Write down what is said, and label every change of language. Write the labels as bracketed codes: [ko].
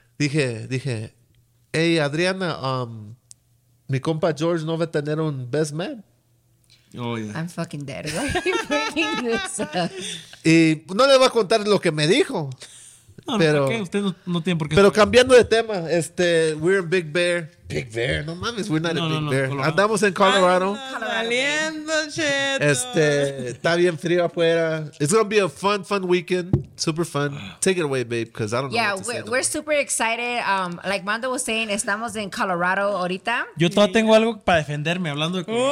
[es] Dije, hey, Adriana, mi compa George no va a tener un best man. [en] Oh, yeah. I'm fucking dead. Why are you bringing this up? [es] Y no le voy a contar lo que me dijo. No, pero, ¿qué? Usted no tiene por qué. Pero cambiando de tema, [en] we're in Big Bear. Big Bear, [es] no mames, [en] we're not in Big Bear. [es] Colorado. Andamos en Colorado. Saliendo, cheto. Está bien frío afuera. [en] It's gonna be a fun weekend. Super fun. Take it away, babe, because I don't know. Yeah, what to say. We're super excited. Like Mando was saying, [es] estamos en Colorado ahorita. Yo todavía tengo algo para defenderme hablando de Colorado.